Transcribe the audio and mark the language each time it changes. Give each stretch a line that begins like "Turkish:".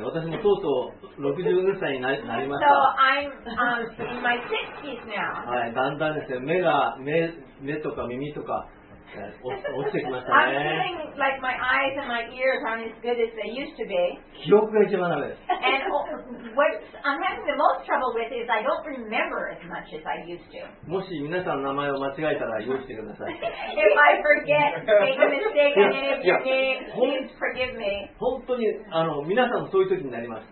Japanese: 私もとうとう60歳になりました。
English: So I'm in my 60s now.
Japanese: はい、だんだんですね、目とか耳とか。落ちてきましたね。
English: I'm feeling like my eyes and my ears aren't as good as they used to be.
Japanese: 記憶が一番ダメです。
English: And what I'm having the most trouble with is I don't remember as much as I used to.
Japanese: もし皆さんの名前を間違えたら許してください。
English: If I forget, make a mistake on any of your names, please forgive me.
Japanese: 本当に皆さんもそういう時になります。